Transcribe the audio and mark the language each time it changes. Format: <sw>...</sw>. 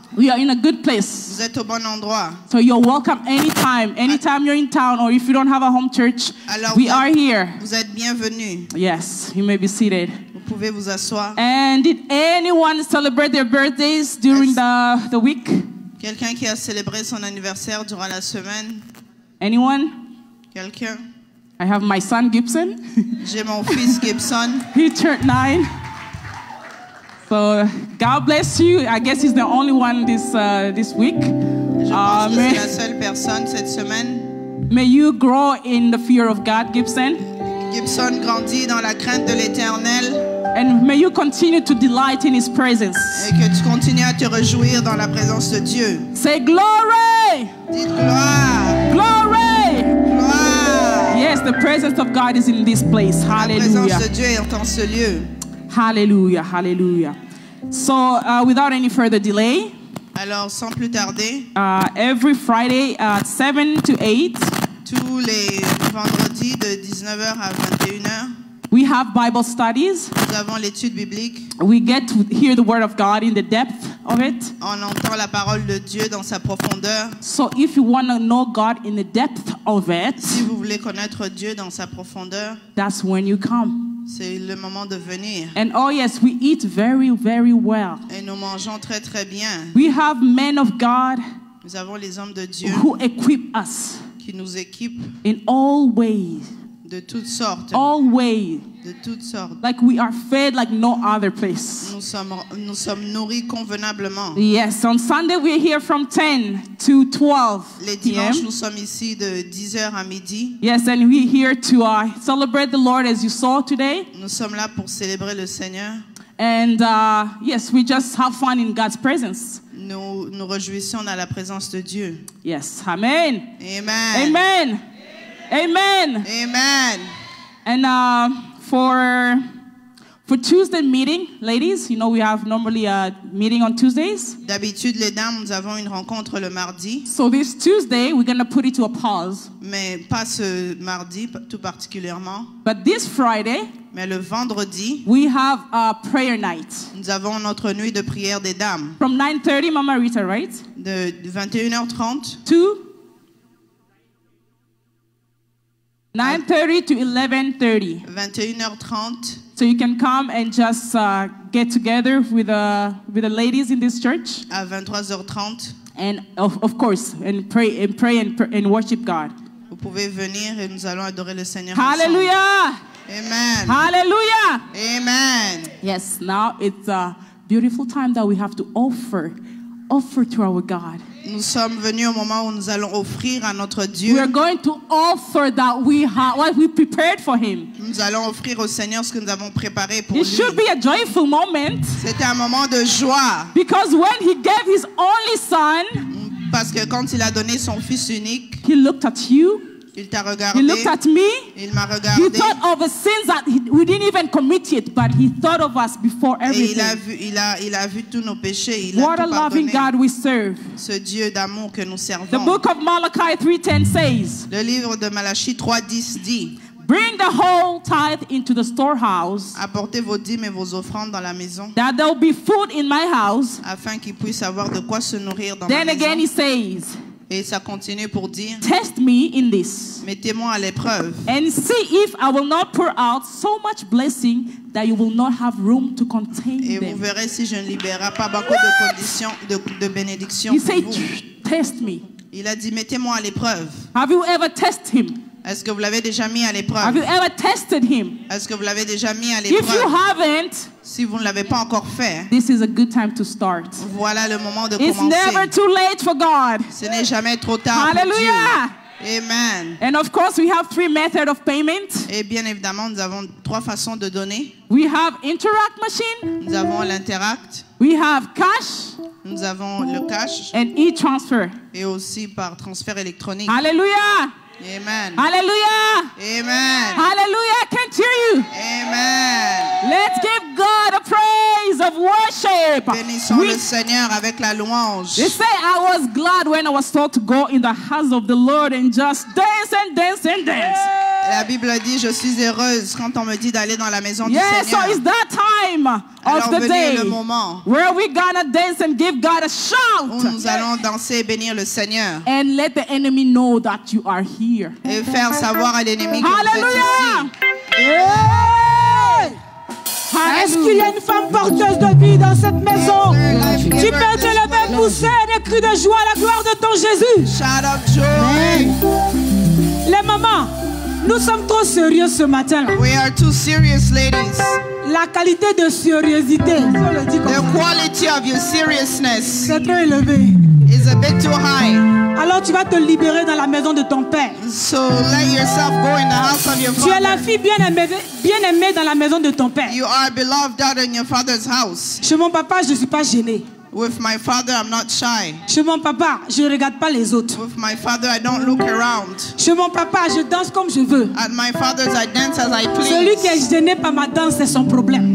<en>We are in a good place.</en> <fr>Vous êtes au bon endroit.</fr> <en>So you're welcome anytime. Anytime you're in town or if you don't have a home church,</en> <fr>alors</fr> <en>we are here.</en> <fr>Vous êtes bienvenue.</fr> <en>Yes, you may be seated.</en> <fr>Vous pouvez vous asseoir.</fr> <en>And did anyone celebrate their birthdays during the week?</en> <fr>Quelqu'un qui a célébré son anniversaire durant la semaine?</fr> <en>Anyone?</en> <fr>Quelqu'un?</fr> <en>I have my son Gibson.</en> <fr>J'ai mon fils Gibson.</fr> <en>He turned 9. So God bless you. I guess he's the only one this week.</en> <fr>Je pense que c'est la seule personne cette semaine.</fr> <en>May you grow in the fear of God, Gibson.</en> <fr>Gibson grandit dans la crainte de l'Éternel.</fr> <en>And may you continue to delight in his presence.</en> <fr>Et que tu continues à te réjouir dans la présence de Dieu.</fr> <en>Say glory.</en> <fr>Dites gloire.</fr> <en>Glory.</en> <fr>Gloire.</fr> <en>Yes, the presence of God is in this place. Hallelujah.</en> <fr>La présence de Dieu est en ce lieu.</fr> <en>Hallelujah. Hallelujah. So, without any further delay.</en> <fr>Alors, sans plus tarder.</fr> <en>Every Friday at 7 to 8.</en> <fr>Tous les vendredis de 19h à 21h.</fr> <en>We have Bible studies.</en> <fr>Nous avons l'étude biblique.</fr> <en>We get to hear the word of God in the depth of it.</en> <fr>On entend la parole de Dieu dans sa profondeur.</fr> <en>So if you want to know God in the depth of it,</en> <fr>si vous voulez connaître Dieu dans sa profondeur,</fr> <en>that's when you come.</en> <fr>C'est le moment de venir.</fr> <en>And oh yes, we eat very, very well.</en> <fr>Et nous mangeons très, très bien.</fr> <en>We have men of God.</en> <fr>Nous avons les hommes de Dieu</fr> <en>who equip us.</en> <fr>Qui nous équipent.</fr> <en>In all ways.</en> <fr>De toutes sortes.</fr> <en>Always.</en> <fr>De toutes sortes.</fr> <en>Like we are fed like no other place.</en> <fr>Nous sommes nourris convenablement.</fr> <en>Yes, on Sunday we're here from 10 to 12.</en> <fr>Les dimanches nous sommes ici de 10h à midi.</fr> <en>Yes, and we're here to celebrate the Lord as you saw today.</en> <fr>Nous sommes là pour célébrer le Seigneur.</fr> <en>And yes, we just have fun in God's presence.</en> <fr>Nous réjouissons dans la présence de Dieu.</fr> <en>Yes, amen. Amen. Amen. Amen. Amen. And for Tuesday meeting, ladies, you know we have normally a meeting on Tuesdays.</en> <fr>D'habitude, les dames, nous avons une rencontre le mardi.</fr> <en>So this Tuesday, we're gonna put it to a pause.</en> <fr>Mais pas ce mardi, tout particulièrement.</fr> <en>But this Friday.</en> <fr>Mais le vendredi.</fr> <en>We have a prayer night.</en> <fr>Nous avons notre nuit de prière des dames.</fr> <en>From 9:30, Mama Rita, right?</en> <fr>De 21h30.</fr> <en>To 9:30 to 11:30. So you can come and just get together with the ladies in this church.</en> <fr>À 23h30.</fr> <en>And of course, and pray and worship God.</en> <fr>Vous pouvez venir et nous allons adorer le Seigneur.</fr> <en>Hallelujah. Amen. Hallelujah. Amen. Yes. Now it's a beautiful time that we have to offer to our God.</en> <fr>Nous sommes venus au moment où nous allons offrir à notre Dieu.</fr> <en>We are going to offer that we have, what we prepared for him.</en> <fr>Nous allons offrir au Seigneur ce que nous avons préparé pour</fr> <en>it</en> <fr>lui.</fr> <en>Should be a joyful moment.</en> <fr>C'était un moment de joie.</fr> <en>Because when he gave his only son,</en> <fr>parce que quand il a donné son fils unique,</fr> <en>he looked at you.</en> <fr>Il t'a regardé.</fr> <en>He looked at me.</en> <fr>Il m'a regardé.</fr> <en>He thought of the sins that we didn't even commit yet, but he thought of us before everything.</en> <fr>Et il a vu tous nos péchés. Il</fr> <en>what</en> <fr>a tout</fr> <en>a loving God we serve.</en> <fr>Ce Dieu d'amour que nous servons.</fr> <en>The book of Malachi 3:10 says.</en> <fr>Le livre de Malachie 3:10 dit.</fr> <en>Bring the whole tithe into the storehouse.</en> <fr>Apportez vos dîmes et vos offrandes dans la maison.</fr> <en>That there will be food in my house.</en> <fr>Afin qu'il puisse avoir de quoi se nourrir dans</fr> <en>then</en> <fr>ma maison.</fr> <en>Then again he says.</en> <fr>Et ça continue pour dire,</fr> <en>test me in this.</en> <fr>Mettez-moi à l'épreuve.</fr> <en>And see if I will not pour out so much blessing that you will not have room to contain</en> <fr>et</fr> <en>them.</en> <fr>Et vous verrez si je ne libérerai pas beaucoup de conditions de bénédiction</fr> <en>he</en> <fr>pour</fr> <en>said,</en> <fr>vous.</fr> <en>Test me.</en> <fr>Il a dit, mettez-moi à l'épreuve.</fr> <en>Have you ever tested him?</en> <fr>Est-ce que vous l'avez déjà mis à l'épreuve?</fr> <en>Have you ever tested him?</en> <fr>Est-ce que vous l'avez déjà mis à l'épreuve?</fr> <en>If you haven't,</en> <fr>si vous ne l'avez pas encore fait,</fr> <en>this is a good time to start.</en> <fr>Voilà le moment de</fr> <en>it's</en> <fr>commencer.</fr> <en>It's never too late for God.</en> <fr>Ce n'est jamais trop tard.</fr> <en>Hallelujah.</en> <fr>Pour Dieu. Amen.</fr> <en>And of course, we have three methods of payment.</en> <fr>Et bien évidemment, nous avons trois façons de donner.</fr> <en>We have interact machine.</en> <fr>Nous avons l'interact.</fr> <en>We have cash.</en> <fr>Nous avons le cash.</fr> <en>And e-transfer.</en> <fr>Et aussi par transfert électronique.</fr> <en>Hallelujah. Amen. Hallelujah. Amen. Hallelujah. I can't hear you. Amen. Let's give God a praise of worship.</en> <fr>Bénissons le Seigneur avec la louange.</fr> <en>They say I was glad when I was told to go in the house of the Lord and just dance and dance and dance.</en> <fr>La Bible dit je suis heureuse quand on me dit d'aller dans la maison</fr> <en>yes,</en> <fr>du Seigneur.</fr> <en>Yes, so it's that time of</en> <fr>alors</fr> <en>the day.</en> <fr>Le moment.</fr> <en>Where are we gonna dance and give God a shout?</en> <fr>Où nous allons danser et bénir le Seigneur.</fr> <en>And let the enemy know that you are here.</en> <fr>Et faire savoir à l'ennemi que</fr> <en>hallelujah!</en> <fr>Vous êtes ici.</fr> <en>Hey! Hallelujah.</en> <fr>Est-ce qu'il y a une femme porteuse de vie dans cette maison? Tu peux te lever, pousser des cris de joie à la gloire de ton Jésus.</fr> <en>Shout of joy. Hey.</en> <fr>Les mamans. Nous sommes trop sérieux ce matin.</fr> <en>We are too serious, ladies.</en> <fr>La qualité de sérieusité.</fr> <en>The quality of your seriousness.</en> <fr>C'est trop élevé.</fr> <en>Is a bit too high.</en> <fr>Alors maintenant tu vas te libérer dans la maison de ton père.</fr> <en>So let yourself go in the house of your father.</en> <fr>Tu es la fille bien aimée dans la maison de ton père.</fr> <en>You are beloved out in your father's house.</en> <fr>Chez mon papa, je suis pas gênée.</fr> <en>With my father, I'm not shy.</en> <fr>Chez mon papa, je regarde pas les autres.</fr> <en>With my father, I don't look around.</en> <fr>Chez mon papa, je danse comme je veux.</fr> <en>At my father's, I dance as I please.</en> <fr>Celui qui est gêné par ma danse, c'est son problème.</fr>